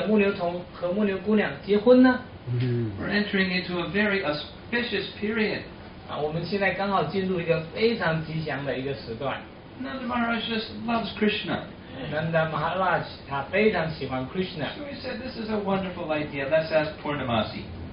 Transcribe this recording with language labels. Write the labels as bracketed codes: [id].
[zh] 为什么不让所有的牧牛童和牧牛姑娘结婚呢？ [en] We're entering into a very auspicious period. [zh] 我们现在刚好进入一个非常吉祥的一个时段。 [en] Nanda Maharaj just loves Krishna. Nanda Maharaj, he very much loves Krishna. So he said, this is a wonderful idea, let's ask Purnamasi.